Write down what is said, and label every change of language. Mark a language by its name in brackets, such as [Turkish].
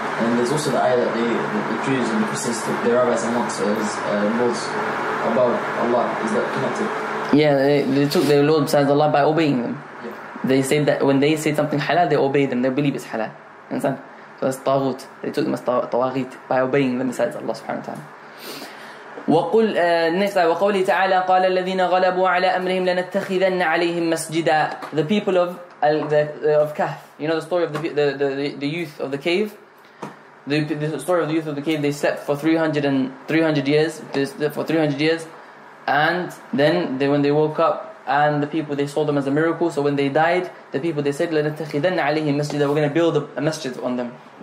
[English] And there's also the ayah that the Jews and the Christians took their rabbis and monks as lords above Allah. Is that connected? Yeah, they took their lord besides Allah by obeying them. Yeah. They say that when they say something halal, they obey them, they believe it's halal. Understand? So that's طاغوت. They took them as طواغيت by obeying the messages of Allah subhanahu wa ta'ala. [Arabic] وقل نفسا وقوله تعالى قال الذين غلبوا على أمرهم لنتخذن عليهم مسجدا. [English] The people of the Kahf. You know the story of the youth of the cave? The story of the youth of the cave, they slept for 300 years. They slept for 300 years. And then when they woke up and the people, they saw them as a miracle. So when they died, the people, they said, [Arabic] لَنَتَّخِذَنَّ عَلَيْهِمْ مَسْجِدًا, [English] we're going to build a masjid on them.